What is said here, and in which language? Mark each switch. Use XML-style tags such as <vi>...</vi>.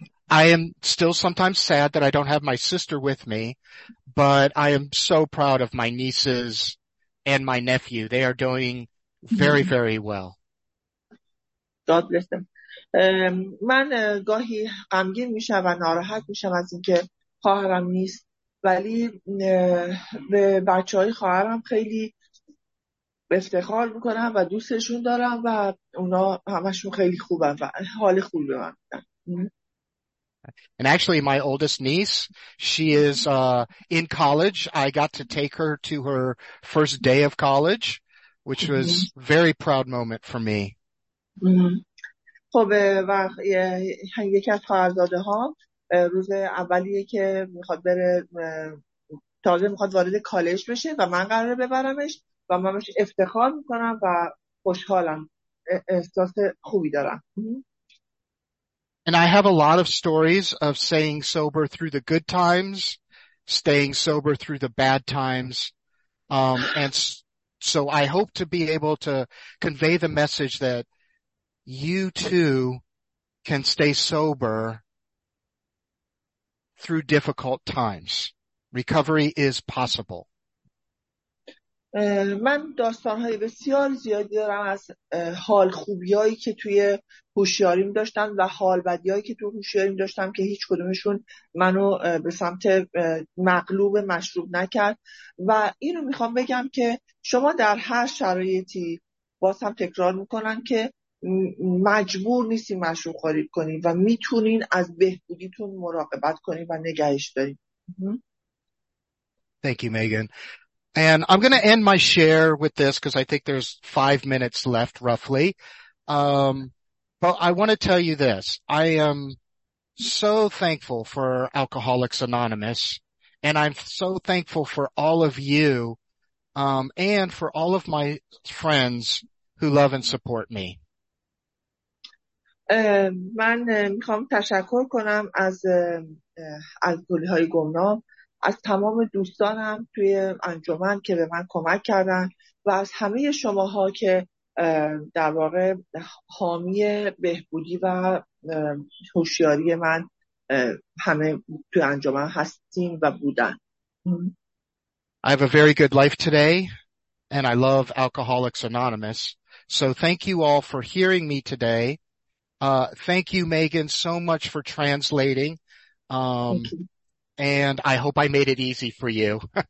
<en>I am still sometimes sad that I don't have my sister with me, but I am so proud of my nieces and my nephew. They are doing very, very well. God bless them.</en> <fa>من گاهی غمگین میشم و ناراحت میشم از اینکه خواهرم نیست، ولی به بچهای خواهرم خیلی افتخار میکنم و دوستشون دارم و اونا همشون خیلی خوبن و حال خوبی به من میدن.</fa> <en>And actually, my oldest niece, she is in college. I got to take her to her first day of college, which was a very proud moment for me.</en> <fa>خب و یکی از خواهرزاده ها روز اولیه که میخواد بره تازه میخواد وارد کالج بشه و من قراره ببرمش و من بهش افتخار میکنم و خوشحالم، احساس خوبی دارم.</fa> <en>And I have a lot of stories of staying sober through the good times, staying sober through the bad times. And so I hope to be able to convey the message that you too can stay sober through difficult times. Recovery is possible.</en> <fa>من داستان‌های بسیار زیادی دارم از حال خوبیایی که توی هوشیاریم داشتم و حال بدیایی که توی هوشیاریم داشتم که هیچ کدومشون منو به سمت مغلوب مشروب نکرد و اینو میخوام بگم که شما در هر شرایطی بازم تکرار میکنن که مجبور نیستی مشروب خوری کنید و میتونین از بهبودیتون مراقبت کنید و نگهش دارید.</fa> <en>Thank you, Megan. And I'm going to end my share with this because I think there's 5 minutes left roughly. But I want to tell you this. I am so thankful for Alcoholics Anonymous, and I'm so thankful for all of you, and for all of my friends who love and support me.</en> <fa>من میخوام تشکر کنم از الکلی‌های گمنام، از تمام دوستانم توی انجمن که به من کمک کردن و از همه شماها که در واقع حامی بهبودی و هوشیاری من همه توی انجمن هستیم و بودن.</fa> <en>I have a very good life today and I love Alcoholics Anonymous. So thank you all for hearing me today. Thank you, Megan, so much for translating. And I hope I made it easy for you.</en>